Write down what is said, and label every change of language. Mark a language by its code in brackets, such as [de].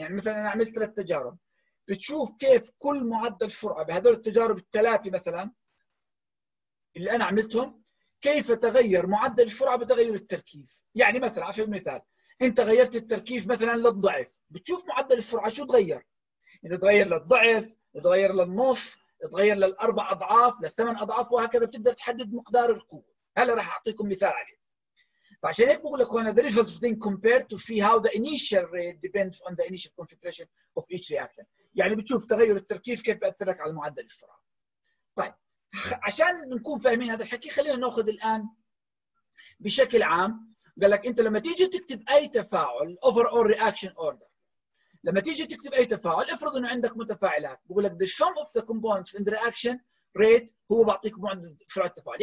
[ar] يعني مثلا انا عملت ثلاث تجارب، بتشوف كيف كل معدل سرعة بهذول التجارب الثلاثة مثلا اللي انا عملتهم كيف تغير معدل السرعة بتغير التركيز. يعني مثلا على سبيل المثال انت غيرت التركيز مثلا للضعف، بتشوف معدل السرعة شو تغير. اذا تغير للضعف، تغير للنص، تغير للاربع اضعاف، للثمان اضعاف، وهكذا بتقدر تحدد مقدار القوة. هلا راح اعطيكم مثال عليه. فعشان هيك بقول لك هون [en] the results then compared to see how the initial rate depends on the initial configuration of each reaction. [ar] يعني بتشوف تغير التركيز كيف بيأثر لك على معدل السرعة. طيب عشان نكون فاهمين هذا الحكي خلينا ناخذ الان بشكل عام. قال لك انت لما تيجي تكتب اي تفاعل overall reaction order، لما تيجي تكتب اي تفاعل افرض انه عندك متفاعلات، بقول لك [en] the sum of the components in the reaction rate [ar] هو بعطيك معدل سرعة التفاعل.